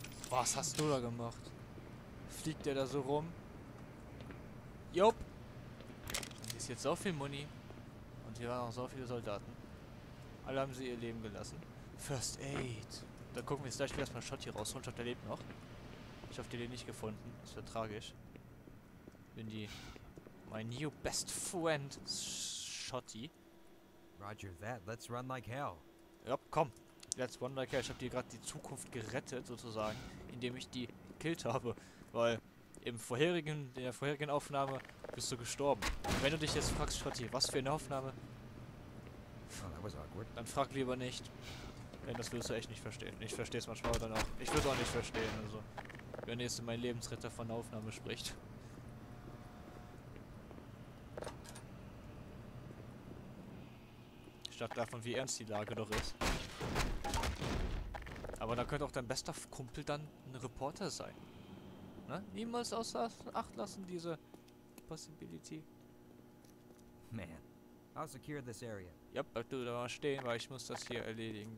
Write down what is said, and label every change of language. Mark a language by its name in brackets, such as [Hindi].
[German] Was hast du da gemacht? Fliegt der da so rum? Jop. Hier ist jetzt so viel Muni. Und hier waren auch so viele Soldaten. Alle haben sie ihr Leben gelassen. First Aid. Da gucken wir jetzt gleich erstmal Shot hier raus. Ich hoffe, der lebt noch. Ich hoffe, die den nicht gefunden. Das wäre tragisch. Bin die. [English] My new best friend, Shotty. Roger that, let's run like hell. [German] Ja, komm. [English] Let's run like hell. [German] Ich hab dir gerade die Zukunft gerettet, sozusagen, indem ich die gekillt habe. Weil in der vorherigen Aufnahme bist du gestorben. Und wenn du dich jetzt fragst, Shotty, was für eine Aufnahme? [English] Oh, that was awkward. [German] Dann frag lieber nicht. Denn das wirst du echt nicht verstehen. Ich versteh's manchmal dann auch. Ich würde auch nicht verstehen, also. Wenn jetzt mein Lebensretter von der Aufnahme spricht. Davon, wie ernst die Lage doch ist. Aber da könnte auch dein bester Kumpel dann ein Reporter sein. Ne? Niemals außer Acht lassen diese Possibility. [English] Man, I'll secure this area. [German] Ja, bleib du da mal stehen, weil ich muss das hier erledigen.